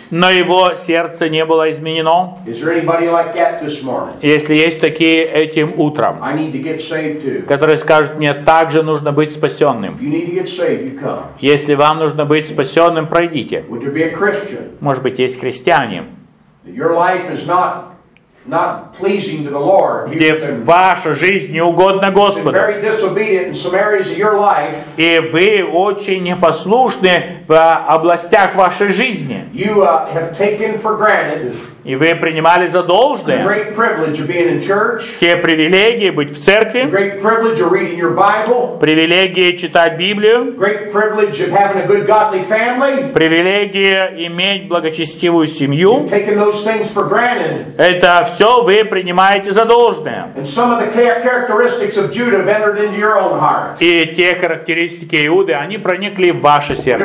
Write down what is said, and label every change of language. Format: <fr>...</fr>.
<ru>Но его сердце не было изменено.</ru> <en>Is there anybody like that this morning?</en> <ru>Если есть такие этим утром,</ru> <en>I need to get saved too.</en> <ru>Которые скажут, мне также нужно быть спасенным.</ru> <en>You need to get saved, you come.</en> <ru>Если вам нужно быть спасенным, пройдите.</ru> <en>Would there be a Christian?</en> <ru>Может быть, есть христиане.</ru> <en>Your life is not pleasing to the Lord.</en> <ru>Где ваша жизнь не угодна Господу.</ru> <en>Very disobedient in some areas of your life.</en> <ru>И вы очень непослушны в областях вашей жизни.</ru> <en>You have taken for granted.</en> <ru>И вы принимали за должное.</ru> <en>The great privilege of being in church.</en> <ru>Те привилегии быть в церкви.</ru> <en>The great privilege of reading your Bible.</en> <ru>Привилегии читать Библию.</ru> <en>The great privilege of having a good godly family.</en> <ru>Привилегии иметь благочестивую семью.</ru> <en>You've taken those things for granted.</en> <ru>Это все вы принимаете за должное.</ru> <en>And some of the characteristics of Judah have entered into your own heart.</en> <ru>И те характеристики Иуды, они проникли в ваше сердце.</ru>